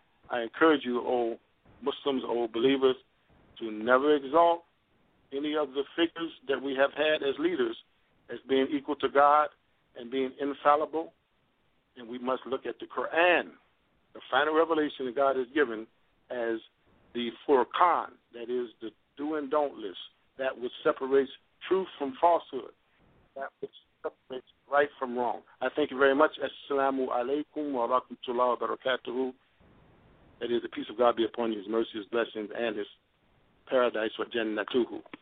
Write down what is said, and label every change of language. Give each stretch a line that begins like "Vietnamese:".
English: I encourage you, O Muslims, O believers, to never exalt any of the figures that we have had as leaders as being equal to God and being infallible. And we must look at the Quran, the final revelation that God has given, as the Furqan, that is the do and don't list, that which separates truth from falsehood, that which separates right from wrong. I thank you very much.
Arabic: Assalamu alaikum wa rahmatullahi wa barakatuhu.
English: That is, the peace of God be upon you, his mercy, his blessings, and his paradise,
Arabic: wa jannatuhu.